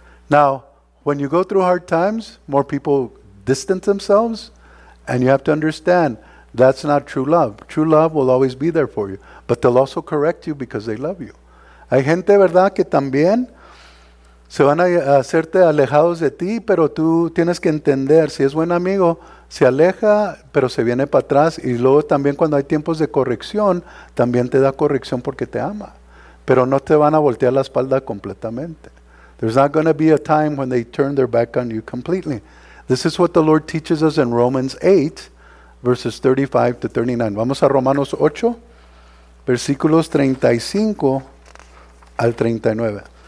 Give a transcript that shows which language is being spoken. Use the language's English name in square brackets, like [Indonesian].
[English] Now, when you go through hard times, more people distance themselves. And you have to understand, that's not true love. True love will always be there for you. But they'll also correct you because they love you. [Spanish] Hay gente, ¿verdad?, que también se van a hacerte alejados de ti, pero tú tienes que entender, si es buen amigo, se aleja, pero se viene para atrás. Y luego también cuando hay tiempos de corrección, también te da corrección porque te ama. Pero no te van a voltear la espalda completamente. [English] There's not going to be a time when they turn their back on you completely. This is what the Lord teaches us in Romans 8, verses 35 to 39. [Spanish] Vamos a Romanos 8, versículos 35 al 39.